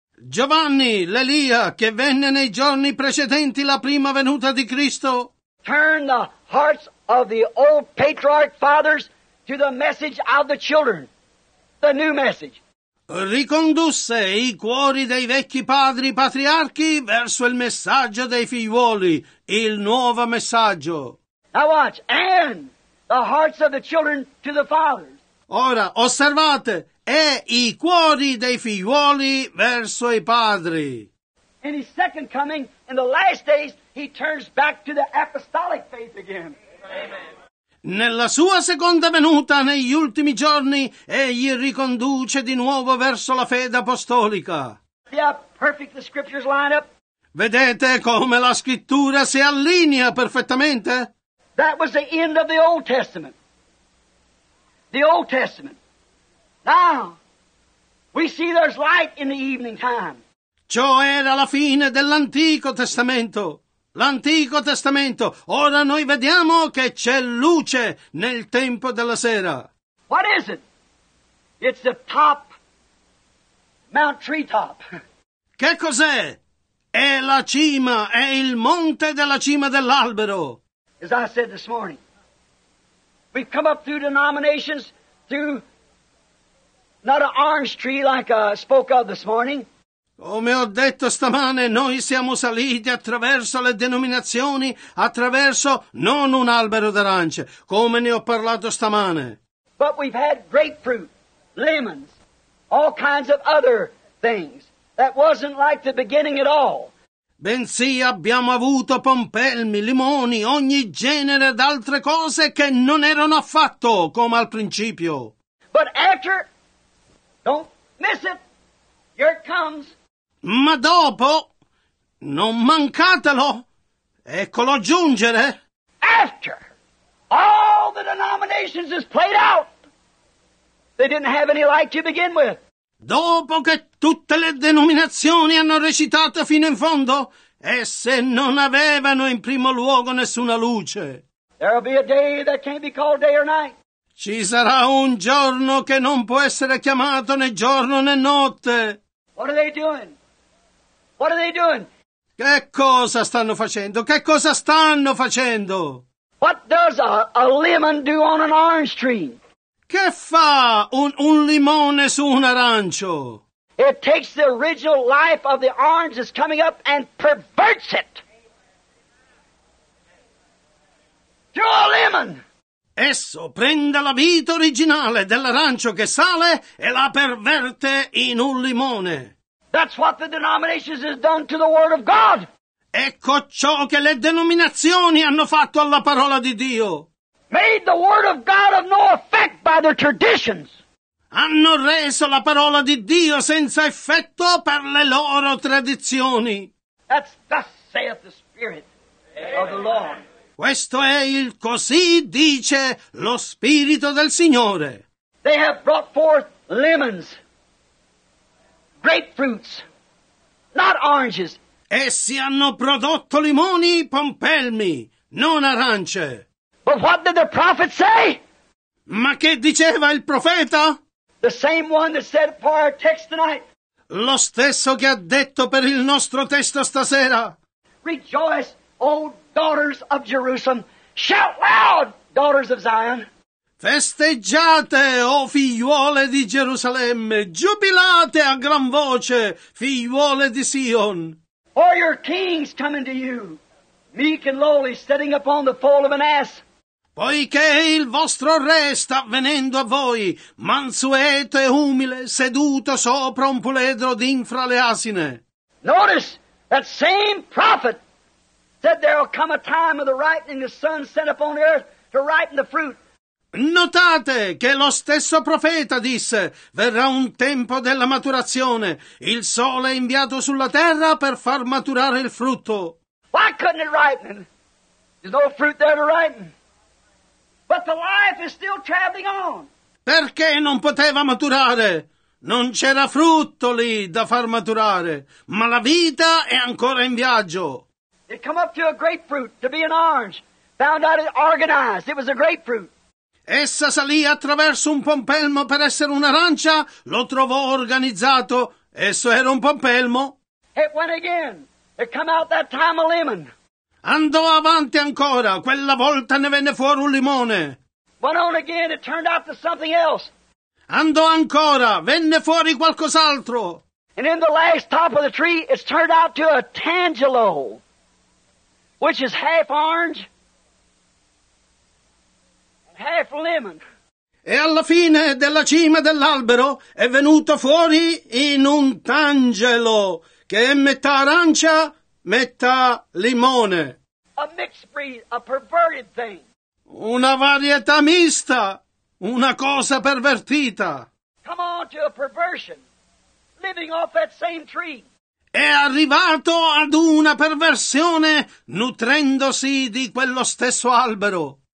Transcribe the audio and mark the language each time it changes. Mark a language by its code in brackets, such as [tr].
[it] Giovanni, l'Elia, che venne nei giorni precedenti la prima venuta di Cristo. [en] Turn the hearts of the old patriarch fathers to the message of the children, the new message. [it] Ricondusse i cuori dei vecchi padri patriarchi verso il messaggio dei figliuoli, il nuovo messaggio. [en] Now watch, and the hearts of the children to the fathers. [it] Ora, osservate, e i cuori dei figliuoli verso i padri. [en] In his second coming, in the last days, he turns back to the apostolic faith again. Amen. [it] Nella sua seconda venuta, negli ultimi giorni, egli riconduce di nuovo verso la fede apostolica. [en] Yeah, perfect, the scriptures line up. [it] Vedete come la scrittura si allinea perfettamente? [en] That was the end of the Old Testament. The Old Testament. Now, we see there's light in the evening time. [it] Ciò era la fine dell'Antico Testamento. L'Antico Testamento. Ora noi vediamo che c'è luce nel tempo della sera. [en] What is it? It's the top, Mount Treetop. [it] Che cos'è? È la cima, è il monte della cima dell'albero. [en] As I said this morning, we've come up through denominations, through not an orange tree like I spoke of this morning. [it] Come ho detto stamane, noi siamo saliti attraverso le denominazioni, attraverso non un albero d'arance, come ne ho parlato stamane. [en] But we've had grapefruit, lemons, all kinds of other things. That wasn't like the beginning at all. [it] Bensì abbiamo avuto pompelmi, limoni, ogni genere d'altre cose che non erano affatto come al principio. [en] But after, don't miss it, here it comes. [it] Ma dopo, non mancatelo, eccolo giungere. [en] After all the denominations is played out, they didn't have any light to begin with. [it] Dopo che tutte le denominazioni hanno recitato fino in fondo, esse non avevano in primo luogo nessuna luce. [en] There'll be a day that can't be called day or night. [it] Ci sarà un giorno che non può essere chiamato né giorno né notte. [en] What are they doing? What are they doing? [it] Che cosa stanno facendo? Che cosa stanno facendo? [en] What does a lemon do on an orange tree? [it] Che fa un limone su un arancio? [en] It takes the original life of the orange that's coming up and perverts it to a lemon. [it] Esso prende la vita originale dell'arancio che sale e la perverte in un limone. [en] That's what the denominations has done to the word of God. [it] Ecco ciò che le denominazioni hanno fatto alla parola di Dio. [en] Made the word of God of no effect by their traditions. [it] Hanno reso la parola di Dio senza effetto per le loro tradizioni. [en] That's thus saith the Spirit of the Lord. [it] Questo è il così dice lo Spirito del Signore. [en] They have brought forth lemons. Grapefruits, not oranges. [it] Essi hanno prodotto limoni, pompelmi, non arance. [en] But what did the prophet say? [it] Ma che diceva il profeta? [en] The same one that said for our text tonight. [it] Lo stesso che ha detto per il nostro testo stasera. [en] Rejoice, O daughters of Jerusalem. Shout loud, daughters of Zion. [it] Festeggiate, o figliuole di Gerusalemme, giubilate a gran voce, figliuole di Sion. [en] For your king's coming to you, meek and lowly, sitting upon the foal of an ass. [it] Poiché il vostro re sta venendo a voi, mansueto e umile, seduto sopra un puledro d'infra le asine. [en] Notice, that same prophet said there will come a time of the ripening of the sun set upon the earth to ripen the fruit. [it] Notate che lo stesso profeta disse, verrà un tempo della maturazione, il sole è inviato sulla terra per far maturare il frutto. [en] Why couldn't it ripen? There's no fruit there to ripen. But the life is still traveling on. [it] Perché non poteva maturare? Non c'era frutto lì da far maturare, ma la vita è ancora in viaggio. [en] It come up to a grapefruit to be an orange. Found out it organized. It was a grapefruit. [it] Essa salì attraverso un pompelmo per essere un'arancia, lo trovò organizzato. Esso era un pompelmo. [en] It went again. It come out that time a lemon. [it] Andò avanti ancora. Quella volta ne venne fuori un limone. [en] Went on again. It turned out to something else. [it] Andò ancora. Venne fuori qualcos'altro. [en] And in the last top of the tree, it's turned out to a tangelo, which is half orange and half lemon. [it] E alla fine della cima dell'albero è venuto fuori in un tangelo, che è metà arancia, metà limone. [en] A mixed breed, a perverted thing. [it] Una varietà mista, una cosa pervertita. [en] Come on to a perversion, living off that same tree. [it] È arrivato ad una perversione nutrendosi di quello stesso albero.